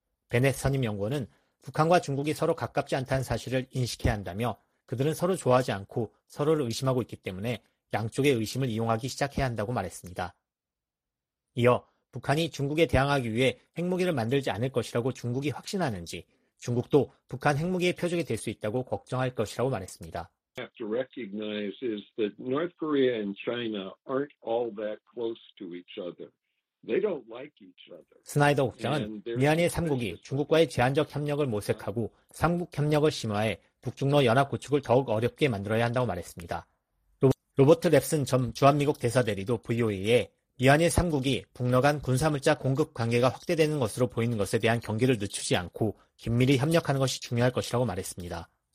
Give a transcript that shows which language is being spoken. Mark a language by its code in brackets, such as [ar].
[ko] 베넷 선임연구원은 북한과 중국이 서로 가깝지 않다는 사실을 인식해야 한다며 그들은 서로 좋아하지 않고 서로를 의심하고 있기 때문에 양쪽의 의심을 이용하기 시작해야 한다고 말했습니다. 이어 북한이 중국에 대항하기 위해 핵무기를 만들지 않을 것이라고 중국이 확신하는지 중국도 북한 핵무기의 표적이 될 수 있다고 걱정할 것이라고 말했습니다. [en] We have to recognize is that North Korea and China aren't all that close to each other. They don't like each other. [ko] 스나이더 국장은 미안의 3국이 중국과의 제한적 협력을 모색하고 3국 협력을 심화해 북중러 연합 구축을 더욱 어렵게 만들어야 한다고 말했습니다. 로버트 랩슨 전 주한미국 대사대리도 VOA에 미안의 3국이 북러 간 군사물자 공급 관계가 확대되는 것으로 보이는 것에 대한 경계를 늦추지 않고 긴밀히 협력하는 것이 중요할 것이라고 말했습니다.